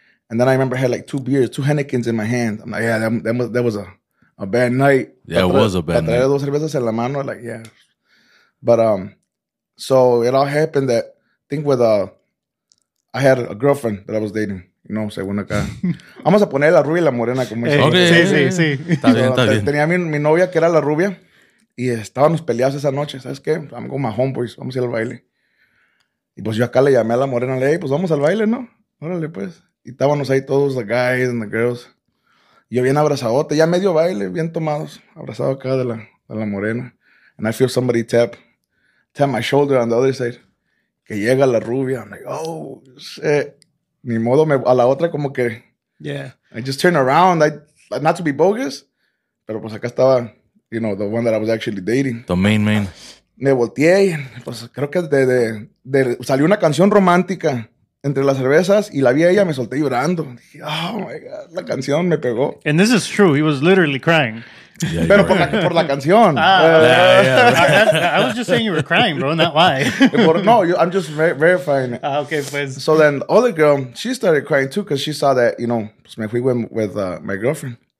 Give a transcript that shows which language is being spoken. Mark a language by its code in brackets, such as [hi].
[en] And then I remember I had like two beers, two Hennequins in my hand. I'm like, yeah, that was a bad night. Yeah, it was a bad night. [es] Traer dos cervezas en la mano. [en] Like, yeah. But so it all happened that I had a girlfriend that I was dating, you know, [es] según acá. Vamos a poner la rubia y la morena, como dice. [en] Okay. [es] Sí. Está bien. Tenía mi novia, que era la rubia, y estábamos peleados esa noche, ¿sabes qué? [en] I'm going my homeboys, [es] vamos a ir al baile. Y pues yo acá le llamé a la morena, le dije, pues vamos al baile, ¿no? Órale, pues. Y estábamos ahí todos, [en] the guys and the girls. [es] Yo bien abrazadote, ya medio baile, bien tomados, abrazado acá de la morena. [en] And I feel somebody tap my shoulder on the other side. [es] Que llega la rubia. [en] I'm like, oh, shit. [es] Ni modo, a la otra como que... [en] Yeah. I just turn around. Not to be bogus, [es] pero pues acá estaba, [en] you know, the one that I was actually dating. The main. [es] Me volteé y pues creo que de salió una canción romántica entre las cervezas y la vi a ella, me solté llorando. Dije, [en] oh, my God, [es] la canción me pegó. [en] And this is true. He was literally crying. [es] Yeah, pero right. por la canción. [en] I was just saying you were crying, bro, not why. No, I'm just verifying it. [es] Okay, pues. [en] So then the other girl, she started crying too because she saw that, you know, [es] pues me fui [en] with my girlfriend.